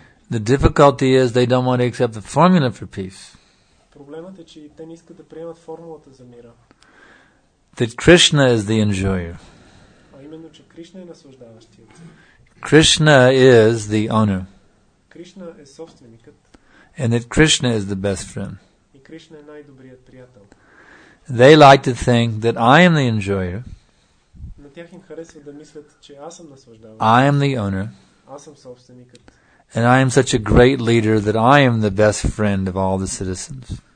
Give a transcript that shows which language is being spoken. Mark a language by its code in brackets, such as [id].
[en] The difficulty is they don't want to accept the formula for peace. [bg] Проблемът е, че те не искат да приемат формулата за мира. [en] That Krishna is the enjoyer. [bg] А именно, че Кришна е наслаждаващият. [en] Krishna is the owner. [bg] Кришна е собственикът. [en] And that Krishna is the best friend. [bg] И Кришна е най-добрият приятел. [en] They like to think that I am the enjoyer. [bg] На тях им харесва да мислят, че аз съм наслаждаващият. [en] I am the owner. [bg] Аз съм собственикът. [en] And I am such a great leader that I am the best friend of all the citizens.